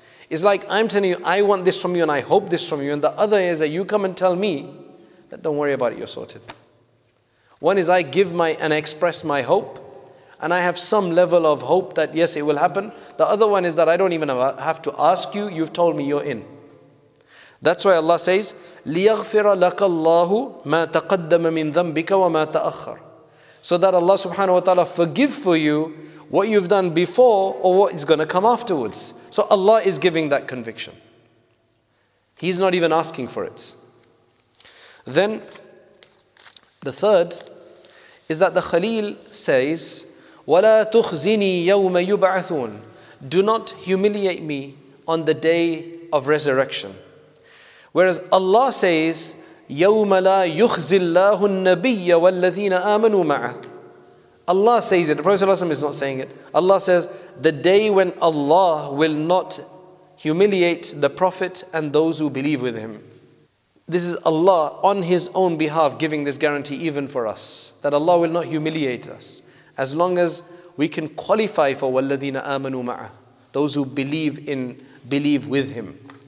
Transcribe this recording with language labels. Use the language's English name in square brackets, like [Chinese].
[English] It's like, I'm telling you, I want this from you and I hope this from you. And the other is that you come and tell me that, don't worry about it, you're sorted. One is I give my and I express my hope, and I have some level of hope that yes, it will happen. The other one is that I don't even have to ask you, you've told me you're in. That's why Allah says, [Arabic] لِيَغْفِرَ لَكَ اللَّهُ مَا تَقَدَّمَ مِنْ ذَنْبِكَ وَمَا تَأَخَّرَ. [English] So that Allah subhanahu wa ta'ala forgive for you what you've done before or what is going to come afterwards. So Allah is giving that conviction. He's not even asking for it. Then, the third is that the Khalil says, [Arabic] وَلَا تُخْزِنِي يَوْمَ يُبْعَثُونَ. [English] Do not humiliate me on the day of resurrection. Whereas Allah says, [Arabic] يَوْمَ لَا يُخْزِ اللَّهُ النَّبِيَّ وَالَّذِينَ آمَنُوا مَعَهُ. [English] Allah says it. The Prophet ﷺ is not saying it. Allah says, the day when Allah will not humiliate the Prophet and those who believe with him. This is Allah on His own behalf giving this guarantee even for us, that Allah will not humiliate us as long as we can qualify for [Arabic] وَالَّذِينَ آمَنُوا مَعَهُ, [English] those who believe with Him.